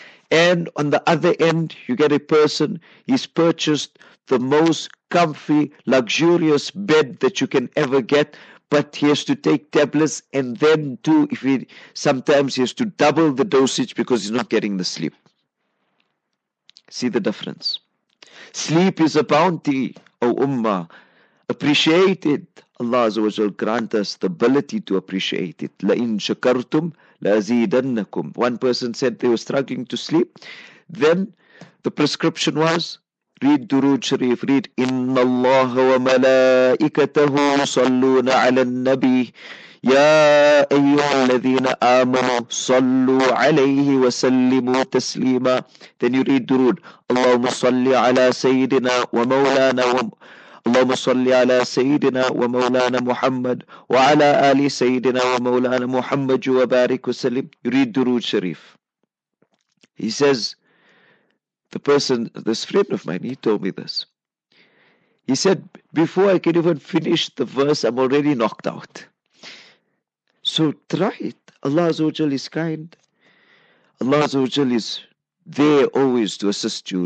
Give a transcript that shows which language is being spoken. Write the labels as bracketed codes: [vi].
[en] And on the other end, you get a person, he's purchased the most comfy, luxurious bed that you can ever get, but he has to take tablets, and then too, sometimes he has to double the dosage because he's not getting the sleep. See the difference. Sleep is a bounty, O Ummah. Appreciate it. Allah Azza wa Jal grant us the ability to appreciate it. [ar] لَإِن شَكَرْتُمْ لَأَزِيدَنَّكُمْ. [en] One person said they were struggling to sleep. Then the prescription was, read Durood Sharif, read [ar] إِنَّ اللَّهَ وَمَلَائِكَتَهُ صَلُّونَ عَلَى النَّبِيِّ يَا أَيُّهَا الَّذِينَ آمَنُوا صَلُّوا عَلَيْهِ وَسَلِّمُوا تَسْلِيمًا. [en] Then you read Durood, [ar] اللَّهُمَّ صَلِّ عَلَى سَيِّدِنَا وَمَوْلَانَا اللهم صل على سيدنا ومولانا محمد وعلى آل سيدنا ومولانا محمد وبارك وسلم. [en] Read Durood Sharif. He says, the person, this friend of mine, he told me this. He said, before I can even finish the verse, I'm already knocked out. So try it. Allah Azza wa Jal is kind. Allah Azza wa Jal is there always to assist you.